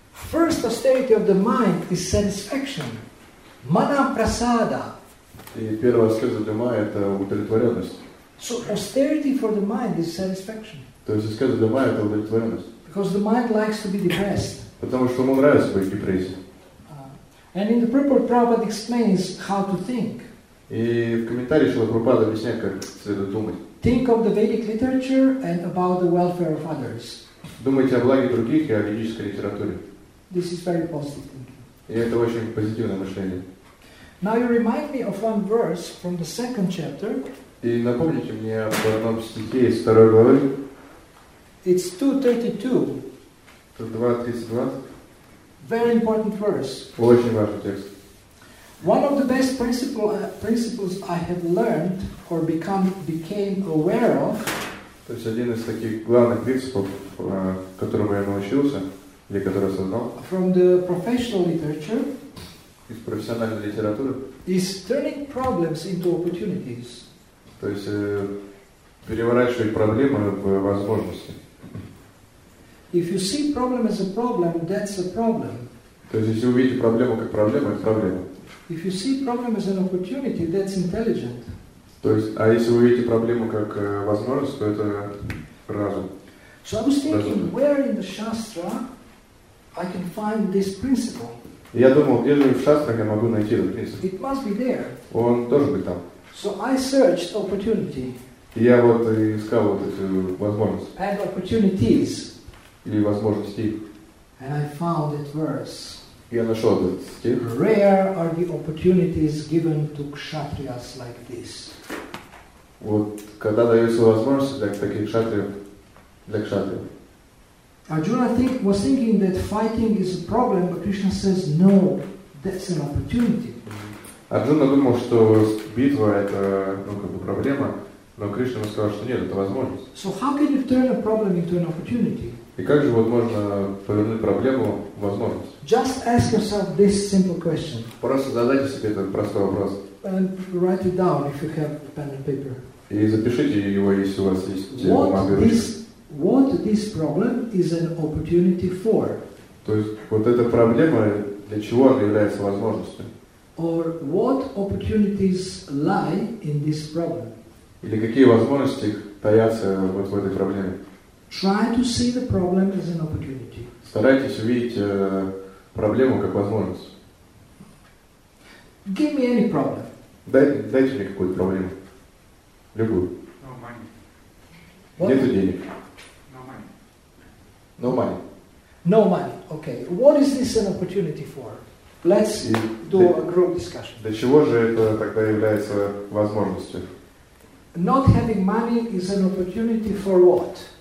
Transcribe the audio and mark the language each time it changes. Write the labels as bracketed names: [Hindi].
[English] First austerity of the mind is satisfaction. Mana prasada. [Russian] И первая аскеза ума это удовлетворенность. [English] So austerity for the mind is satisfaction. [Russian] То есть аскеза для ума – это удовлетворенность. [English] Because the mind likes to be depressed. [Russian] Потому что ему нравится быть в депрессии. [English] And in the purport, Prabhupada explains how to think. [Russian] И в комментарии Шрила Прабхупада объясняет, как следует думать. [English] Think of the Vedic literature and about the welfare of others. [Russian] Думайте о благе других и о ведической литературе. [English] This is very positive thinking. [Russian] И это очень позитивное мышление. [English] Now you remind me of one verse from the second chapter. [Russian] И напомните мне об одном стихе из второй главы. [English] It's 2:32. [Russian] Это 2:32. [English] Very important verse. [Russian] Очень важный текст. [English] One of the best principles I have learned or became aware of. [Russian] То есть один из таких главных принципов, которому я научился или который осознал. [English] From the professional literature. [Russian] Из профессиональной литературы. [English] Is turning problems into opportunities. [Russian] То есть переворачивать проблемы в возможности. [English] If you see problem as a problem, that's a problem. [Russian] То есть если вы видите проблему как проблему, это проблема. [English] If you see problem as an opportunity, that's intelligent. [Russian] То есть, а если вы видите проблему как возможность, то это разум. [English] So I was thinking, where in the Shastra I can find this principle? [Russian] Я думал, где же в Шастрах я могу найти этот принцип? [English] It must be there. [Russian] Он должен быть там. [English] So I searched opportunity. [Russian] Я вот искал вот эти возможности. [English] And opportunities. [Russian] Или возможности. [English] And I found that verse. [Russian] Я нашел этот стих. [English] Rare are the opportunities given to kshatriyas like this. [Russian] Вот когда даются возможности для таких кшатриев, для кшатриев. [English] Arjuna was thinking that fighting is a problem, but Krishna says no, that's an opportunity. [Russian] Арджуна думал, что битва это ну, как бы проблема, но Кришна сказал, что нет, это возможность. [English] So how can you turn a problem into an opportunity? [Russian] И как же вот можно повернуть проблему в возможность? [English] Just ask yourself this simple question. [Russian] Просто задайте себе этот простой вопрос. [English] And write it down if you have pen and paper. [Russian] И запишите его, если у вас есть бумага и ручка. [English] What this problem is an opportunity for? [Russian] То есть вот эта проблема для чего она является возможностью? [English] Or what opportunities lie in this problem? [Russian] Или какие возможности таятся вот в этой проблеме? [English] Try to see the problem as an opportunity. [Russian] Старайтесь увидеть проблему как возможность. [English] Give me any problem. [Russian] Дайте мне какую-то проблему. Любую. [English] No money. What? [Russian] Нету денег. [English] No money. No money. No money. Okay. What is this an opportunity for? Let's do a group discussion. [Russian] Для чего же это тогда является возможностью? [English] Not having money is an opportunity for what?